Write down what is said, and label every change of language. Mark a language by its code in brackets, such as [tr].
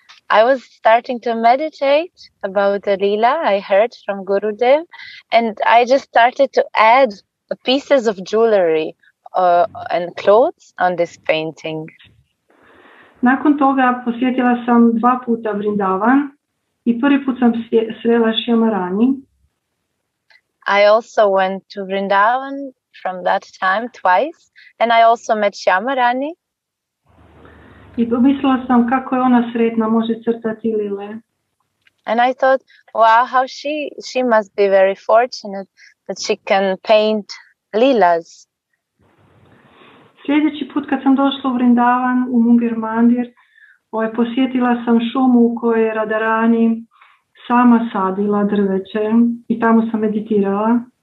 [en] I was starting to meditate about the lila I heard from Gurudev, and I just started to add the pieces of jewelry and clothes on this painting. [hr] Nakon toga posjetila sam dva puta Vrindavan i prvi put sam srela Shyamarani. [en] I also went to Vrindavan from that time twice, and I also met Shyamarani. [hr] I pomislila sam kako je ona sretna, može crtati lile. [en] And I thought, wow, how she must be very fortunate that she can paint lilas. [hr] Sljedeći put kad sam došla u Vrindavan, u Munger Mandir, posjetila sam šumu u kojoj je Radarani sama sadila drveće i tamo sam meditirala.